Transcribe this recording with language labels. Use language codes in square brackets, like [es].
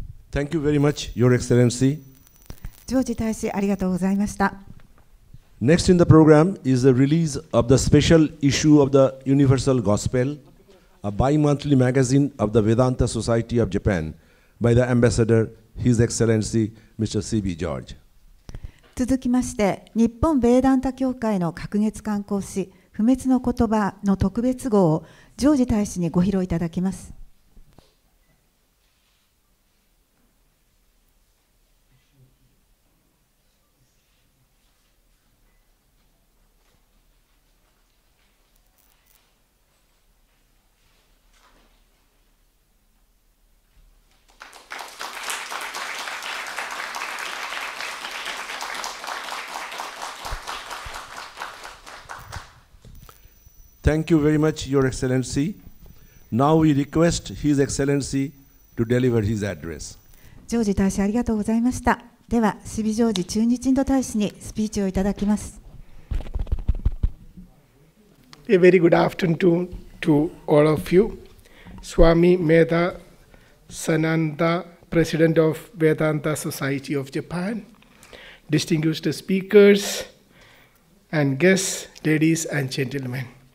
[en] Thank you very much, Your Excellency. [ja] ジョージ大使、ありがとうございました。 [en] Next in the program is the release of the special issue of the Universal Gospel, a bi-monthly magazine of the Vedanta Society of Japan, by the Ambassador, His Excellency, Mr. C.B. George. [ja] 続きまして、日本ヴェーダンタ協会の隔月刊行誌、不滅の言葉の特別号をジョージ大使にご披露いただきます。 [en] Thank you very much, Your Excellency. Now we request His Excellency to deliver his address. [ja] ジョージ大使、ありがとうございました。では、シビ・ジョージ駐日インド大使にスピーチをいただきます。 [en] A very good afternoon to all of you. Swami Medha Sananda, President of Vedanta Society of Japan. Distinguished speakers and guests, ladies and gentlemen.